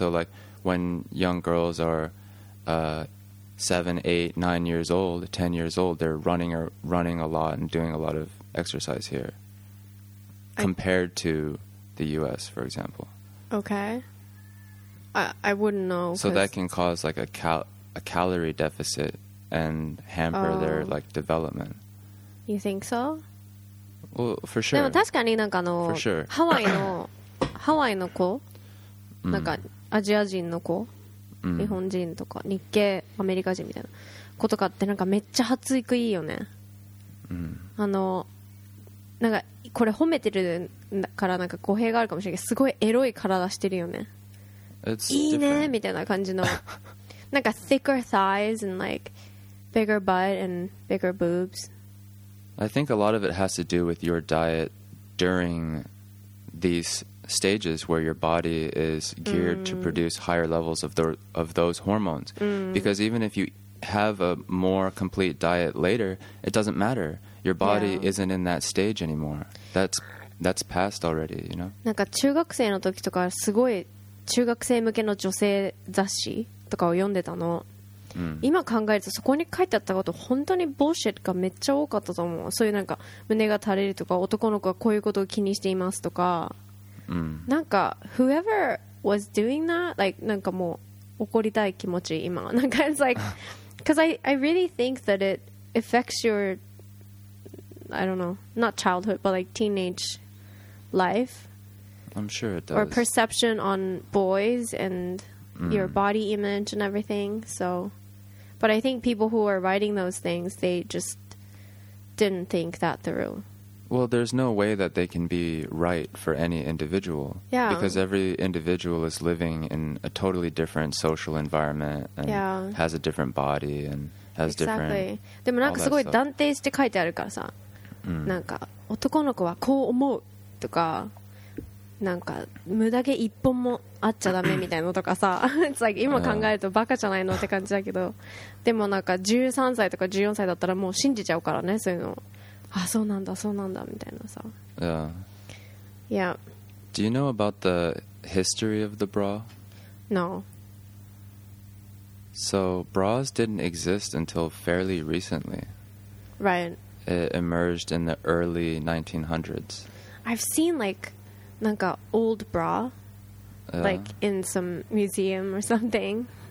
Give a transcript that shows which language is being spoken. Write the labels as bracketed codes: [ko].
[en] So like,When young girls are 7, 8, 9 years old, 10 years old, they're running a lot and doing a lot of exercise here compared to the U.S., for example. Okay. I wouldn't know. So that can cause like a calorie deficit and hamper、their like development. You think so? Well, for sure. [ja] でも確かになんかの、 [en] for sure. [ja] ハワイの子、なんか、mm. アジア人の子、mm. 日本人とか日系アメリカ人みたいな子とかってなんかめっちゃ発育いいよね、 mm. あのなんかこれ褒めてるからなんか語弊があるかもしれないけどすごいエロい体してるよね、 [en] It's、 [ja] いいね、 [en] different. [ja] みたいな感じのなんか [en] thicker thighs and like bigger butt and bigger boobs I think a lot of it has to do with your diet during theseStages where your body is geared、mm. to produce higher levels of those hormones、 mm. because even if you have a more complete diet later it doesn't matter your body、yeah. isn't in that stage anymore that's past already you know [ja] なんか中学生の時とかすごい中学生向けの女性雑誌とかを読んでたの、 mm. 今考えるとそこに書いてあったこと本当にボーシェットがめっちゃ多かったと思うそういうなんか胸が垂れるとか男の子はこういうことを気にしていますとかなんか [en] whoever was doing that like [ja] なんかもう怒りたい気持ち今なんか [en] it's like because I really think that it affects your I don't know not childhood but like teenage life I'm sure it does or perception on boys and、mm. your body image and everything so but I think people who are writing those things they just didn't think that through Well, there's no way that they can be right for any individual. Yeah. Because every individual is living in a totally different social environment and、 yeah. has a different body and has exactly. Exactly. [ja] でもなんかすごい断定して書いてあるからさ、 mm. なんか男の子はこう思うとか、なんか無駄毛一本もあっちゃダメみたいなのとかさ、 [en] It's like [ja] 今考えるとバカじゃないのって感じだけど、でもなんか13歳とか14歳だったらもう信じちゃうからね、そういうのを。あ、そうなんだ、そうなんだ、みたいなさ。 [en] Yeah. Yeah. Do you know about the history of the bra? No. So bras didn't exist until fairly recently. Right. It emerged in the early 1900s. I've seen like old bra, like in some museum or something.